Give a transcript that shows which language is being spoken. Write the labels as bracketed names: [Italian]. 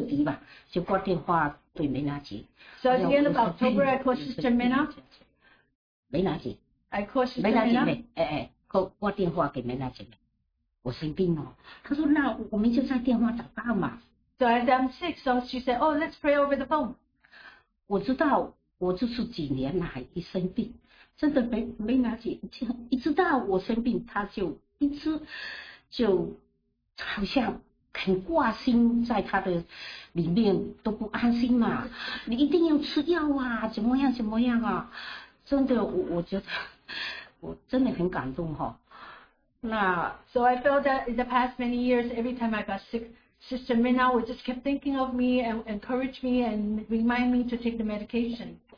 [Chinese] 那我在大约在十月底吧，就挂电话对梅娜姐。 [English] So at the end of October, I called Sister Mina. [Chinese] 梅娜姐。 [English] I called Sister Mina. [Chinese] 梅娜姐妹，哎哎，挂电话给梅娜姐妹。我生病了，她说那我们就在电话祷告嘛。 [English] So as I'm sick, so she said, oh, let's pray over the phone. [Chinese] 我知道，我就是几年来一生病，真的没拿起，一直到我生病，她就一直就好像很挂心在她的里面都不安心嘛。你一定要吃药啊，怎么样怎么样啊？真的，我觉得我真的很感动哈。 [English] So I felt that in the past many years, every time I got sick, Sister Mina would just keep thinking of me and encourage me and remind me to take the medication.